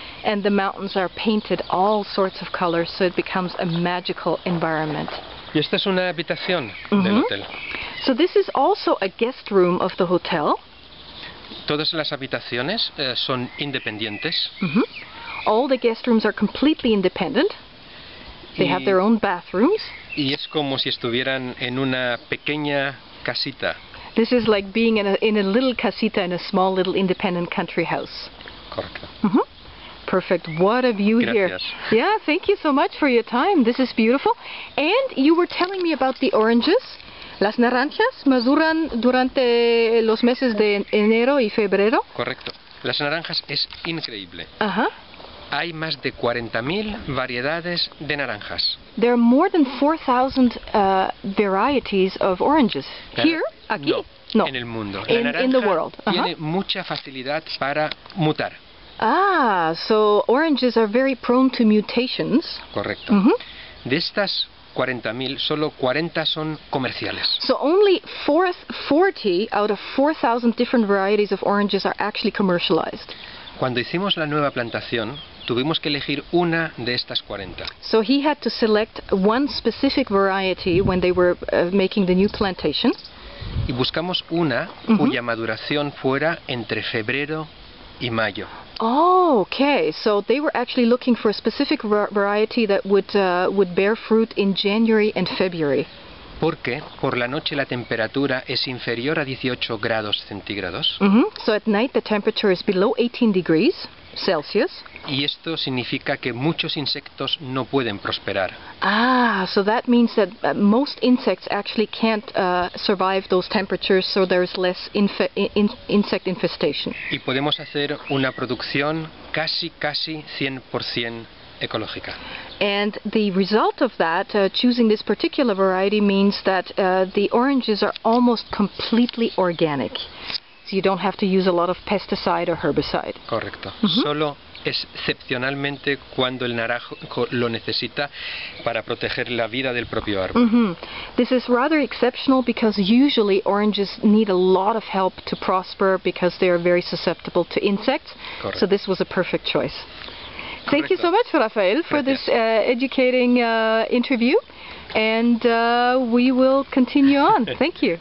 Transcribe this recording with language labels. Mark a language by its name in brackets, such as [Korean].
[English] And the mountains are painted all sorts of colors, so it becomes a magical environment. [Spanish] Y esta es una habitación del hotel. [English] So this is also a guest room of the hotel. [Spanish] Todas las habitaciones son independientes. [English] All the guest rooms are completely independent. They have their own bathrooms. [Spanish] Y es como si estuvieran en una pequeña casita. [English] This is like being in a little casita in a small little independent country house. [Spanish] Correcto. [English] Perfect. What a view. [Spanish] Gracias. [English] Here. Yeah, thank you so much for your time. This is beautiful. And you were telling me about the oranges. [Spanish] Las naranjas maduran durante los meses de enero y febrero. Correcto. Las naranjas es increíble. Ajá. Hay más de 40,000 variedades de naranjas. [English] There are more than 4,000 varieties of oranges. Here, [Spanish] aquí. No. En el mundo. La naranja [English] in the world. [Spanish] Tiene mucha facilidad para mutar. [English] Ah, so oranges are very prone to mutations. [Spanish] Correcto. De estas 40,000, solo 40 son comerciales. [English] So only 40 out of 4,000 different varieties of oranges are actually commercialized. [Spanish] Cuando hicimos la nueva plantación, tuvimos que elegir una de estas 40. [English] So he had to select one specific variety when they were making the new plantation. [Spanish] Y buscamos una cuya maduración fuera entre febrero y mayo. [English] Oh, okay. So they were actually looking for a specific variety that would bear fruit in January and February. [Spanish] Porque por la noche la temperatura es inferior a 18 grados centígrados. [English] So at night the temperature is below 18 degrees Celsius. [Spanish] Y esto significa que muchos insectos no pueden prosperar. [English] Ah, so that means that most insects actually can't survive those temperatures, so there's less insect infestation. [Spanish] Y podemos hacer una producción casi 100% ecológica. [English] And the result of that, choosing this particular variety, means that the oranges are almost completely organic. So you don't have to use a lot of pesticide or herbicide. [Spanish] Correcto. Solo excepcionalmente cuando el naranjo lo necesita para proteger la vida del propio árbol. [English] This is rather exceptional because usually oranges need a lot of help to prosper because they are very susceptible to insects. [Spanish] Correcto. [English] So this was a perfect choice. [Spanish] Correcto. [English] Thank you so much, Rafael, for [Spanish] Gracias. [English] This educating interview. And we will continue on. Thank you.